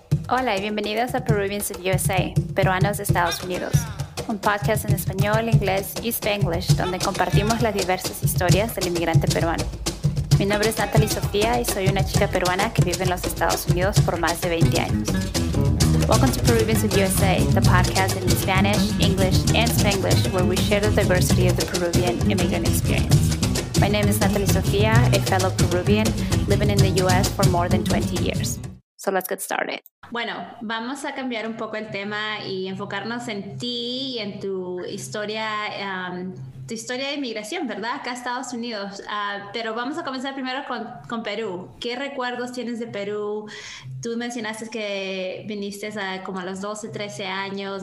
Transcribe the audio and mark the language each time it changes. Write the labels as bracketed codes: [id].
[es] Hola y bienvenidos a Peruvians of USA, Peruanos de Estados Unidos, un podcast en español, inglés y Spanglish, donde compartimos las diversas historias del inmigrante peruano. Mi nombre es Natalie Sofía y soy una chica peruana que vive en los Estados Unidos por más de 20 años. [en] Welcome to Peruvians of USA, the podcast in Spanish, English, and Spanglish, where we share the diversity of the Peruvian immigrant experience. My name is Natalie Sofía, a fellow Peruvian living in the U.S. for more than 20 years. So let's get started. [es] Bueno, vamos a cambiar un poco el tema y enfocarnos en ti y en tu historia de inmigración, ¿verdad? Acá a Estados Unidos. Pero vamos a comenzar primero con Perú. ¿Qué recuerdos tienes de Perú? Tú mencionaste que viniste como a los 12, 13 años.